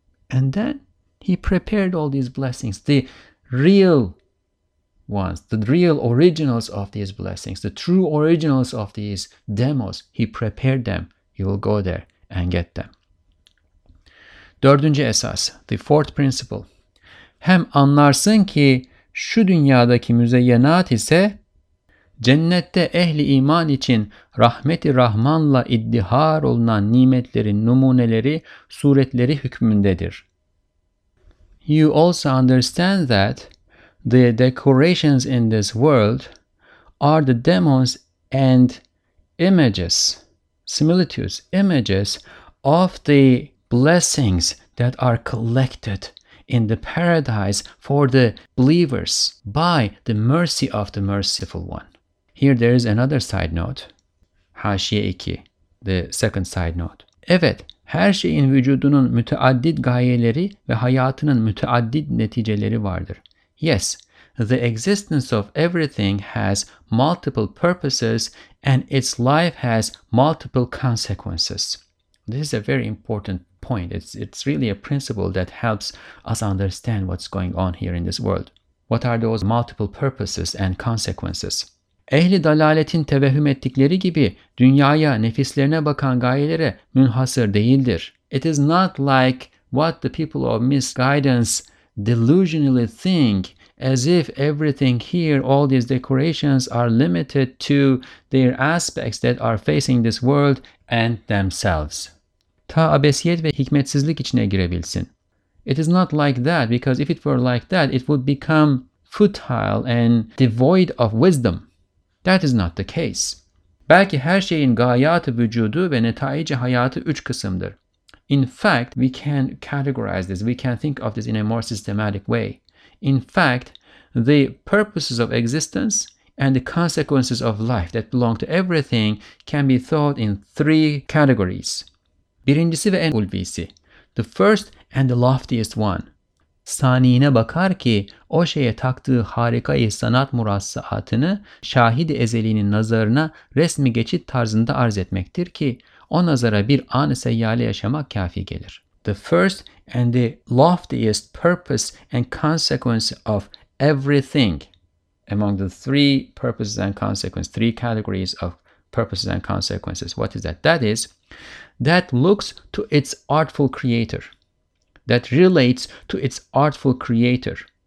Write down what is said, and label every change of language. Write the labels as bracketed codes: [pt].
[en] And then he prepared all these blessings, the real ones, the real originals of these blessings, the true originals of these demos. He prepared them. You will go there and get them. [tr] Dördüncü esas, [en] the fourth principle. [tr] Hem anlarsın ki şu dünyadaki müzeyyenat ise cennette ehli iman için rahmeti rahmanla iddihar olunan nimetlerin numuneleri, suretleri hükmündedir. [en] You also understand that the decorations in this world are the demons and images, similitudes, images of the blessings that are collected in the paradise for the believers by the mercy of the merciful one. Here there is another side note. [tr] Haşiye 2, [en] the second side note. [tr] Evet, her şeyin vücudunun müteaddit gayeleri ve hayatının müteaddit neticeleri vardır. [en] Yes, the existence of everything has multiple purposes and its life has multiple consequences. This is a very important point. It's really a principle that helps us understand what's going on here in this world. What are those multiple purposes and consequences? [tr] Ehli dalaletin tevehüm ettikleri gibi dünyaya, nefislerine bakan gayelere münhasır değildir. [en] It is not like what the people of misguidance delusionally think, as if everything here, all these decorations are limited to their aspects that are facing this world and themselves. [tr] Ta abesiyet ve hikmetsizlik içine girebilsin. [en] It is not like that, because if it were like that, it would become futile and devoid of wisdom. That is not the case. [tr] Belki her şeyin gayatı vücudu ve netaici hayatı üç kısımdır. [en] In fact, we can categorize this, we can think of this in a more systematic way. In fact, the purposes of existence and the consequences of life that belong to everything can be thought in three categories. [tr] Birincisi ve en ulvisi. [en] The first and the loftiest one. [tr] Saniyine bakar ki o şeye taktığı harikayı sanat murassaatını şahid-i ezelinin nazarına resmi geçit tarzında arz etmektir ki o nazara bir an-ı seyyale yaşamak kafi gelir. [en] The first and the loftiest purpose and consequence of everything, among the three purposes and consequences, three categories of purposes and consequences, what is that? That is, that looks to its artful creator, that relates to its artful creator.